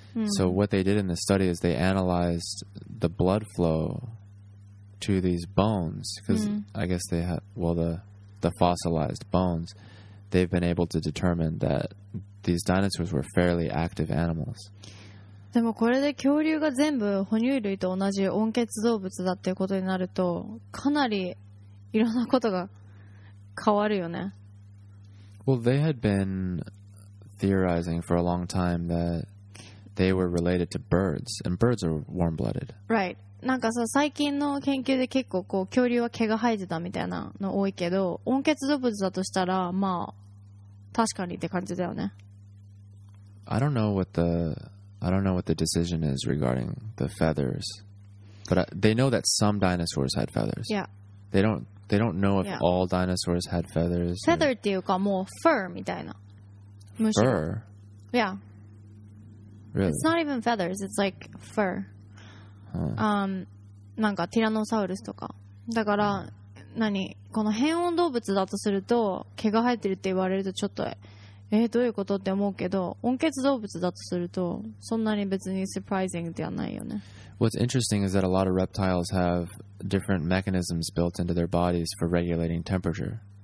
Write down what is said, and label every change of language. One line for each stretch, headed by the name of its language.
English: So what they did in the study is they analyzed the blood flow to these bones, because I guess they have, well, the fossilized bones, they've been able to determine that these dinosaurs were fairly active animals.
Japanese: でもこれで恐竜が全部哺乳類と同じ温血動物だっていうことになると、かなりいろんなことが変わるよね。
English: Well, they had been theorizing for a long time that they were related to birds, and birds are warm-blooded. Right.
Japanese: なんかさ最近の研究で結構こう恐竜は毛が生えてたみたいなの多いけど温血動物だとしたらまあ確かにって感じだよね。
English: I don't know what the decision is regarding the feathers, but they know that some dinosaurs had feathers. Yeah. They don't know if all dinosaurs had feathers.
Japanese: Feather っていうかもう fur みたいな。
English: Fur? Yeah. Really? It's not even feathers, it's like fur.
Japanese: なんかティラノサウルスとかだから何この変温動物だとすると毛が生えてるって言われるとちょっとどういうことって思うけど温血動物だとするとそんなに別にサプライジングではないよね。
English: What's interesting is that a lot of reptiles have different mechanisms built into their bodies for regulating temperature.